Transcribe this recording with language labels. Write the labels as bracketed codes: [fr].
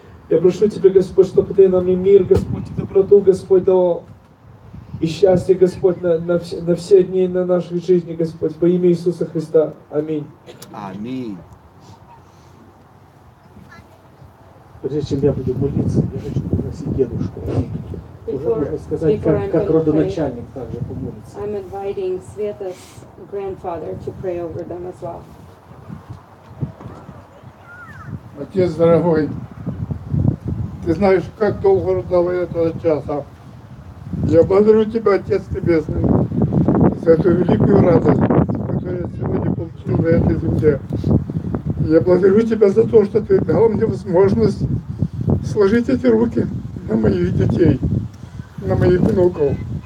[ru] Я прошу Тебя, Господь, чтобы Ты нам и мир, Господь, и доброту, Господь, дал, и счастье, Господь, на все дни на нашей жизни, Господь, во имя Иисуса Христа. Аминь. Аминь. Прежде чем я буду молиться, я хочу пригласить дедушку. Уже можно сказать, как родоначальник также помолится. [en] I'm inviting Sveta's grandfather to pray over them as well. [ru] Отец дорогой, ты знаешь, как долго ждал я этого часа. Я благодарю Тебя, Отец Небесный, за эту великую радость, которую я сегодня получил на этой земле. Я благодарю Тебя за то, что Ты дал мне возможность сложить эти руки на моих детей, на моих внуков.